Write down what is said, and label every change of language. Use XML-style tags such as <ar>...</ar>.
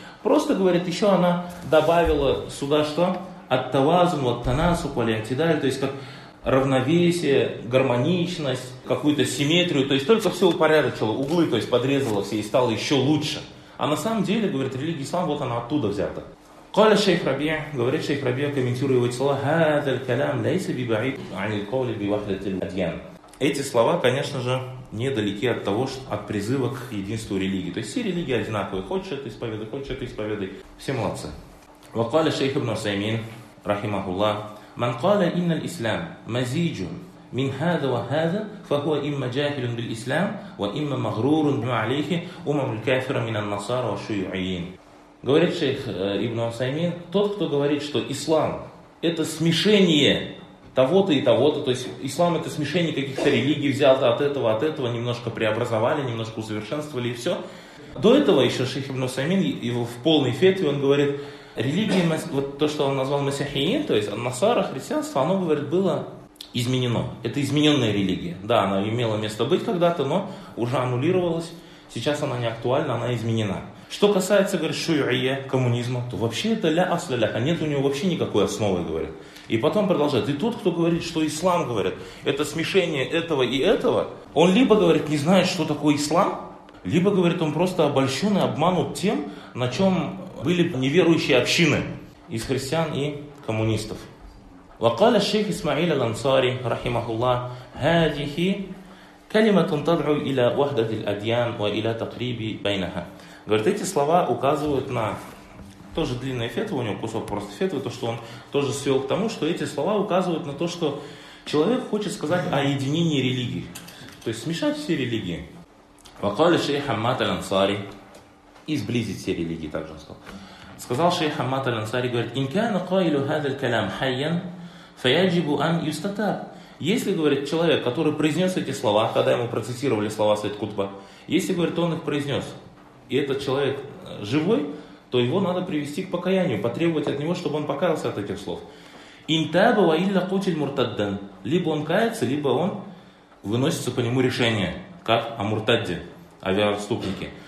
<ru>Просто, говорит, еще она добавила сюда что?</ru> <ar>Ат-тавазун, ат-танасу, ат-тидаль,</ar> <ru>то есть как равновесие, гармоничность, какую-то симметрию, то есть только все упорядочило, углы, то есть подрезало все и стало еще лучше. А на самом деле, говорит, религия ислам, вот она оттуда взята.</ru> <ar>قال الشيخ ربيع</ar> <ru>говорит</ru> <ar>الشيخ ربيع</ar> <ru>комментирует его слова</ru> <ar>هذا الكلام ليس ببعيد عن القول بوحدة الأديان.</ar> <ru>Эти слова, конечно же, недалеки от того, от призыва к единству религии. То есть все религии одинаковые. Хочешь это исповедуй, хочешь это исповедуй. Все молодцы.</ru> <ar>وقال الشيخ ابن عثيمين رحمه الله من قال إن الإسلام مزيج من هذا وهذا فهو إما جاهل بالإسلام وإما مغرور بما عليه أمم الكافر من النصارى والشيوعيين.</ar> <ru>Говорит шейх Ибн Усаймин, тот, кто говорит, что ислам – это смешение того-то и того-то, то есть ислам – это смешение каких-то религий, взял-то от этого, немножко преобразовали, немножко усовершенствовали и все. До этого еще шейх Ибн Усаймин, его в полной фетве, он говорит, религия, вот то, что он назвал масихиин, то есть ан-насара, христианство, оно, говорит, было изменено. Это измененная религия. Да, она имела место быть когда-то, но уже аннулировалась. Сейчас она не актуальна, она изменена. Что касается, говорит, шуйя, коммунизма, то вообще это</ru> <ar>ля асля ляха,</ar> <ru>нет у него вообще никакой основы, говорит. И потом продолжает. И тот, кто говорит, что ислам, говорит, это смешение этого и этого, он либо, говорит, не знает, что такое ислам, либо, говорит, он просто обольщен и обманут тем, на чем были неверующие общины из христиан и коммунистов.</ru> <ar>Вакаля шейх Исмаиль Ансари, рахимахулла, хадихи, كلمة تدعو إلى وحدة الأديان وإلى تقريب بينها.</ar> <ru>Говорит, эти слова указывают на тоже длинная фетва, у него кусок просто фетвы, то, что он тоже свел к тому, что эти слова указывают на то, что человек хочет сказать о единении религий. То есть смешать все религии.</ru> <ar>وقال الشيخ حماد الأنصاري</ar> <ru>и сблизить все религии, также он сказал. Сказал шейх</ru> <ar>حماد الأنصاري,</ar> <ru>говорит,</ru> <ar>إن كان قائل هذا الكلام حيا فيجب أن يستتاب.</ar> <ru>Если, говорит, человек, который произнес эти слова, когда ему процитировали слова Свет-Кутба, если, говорит, он их произнес, и этот человек живой, то его надо привести к покаянию, потребовать от него, чтобы он покаялся от этих слов.</ru> <ar>«Интаба ва илля кутиль муртадден».</ar> <ru>Либо он кается, либо он выносится по нему решение, как о муртадде, о вероотступнике.</ru>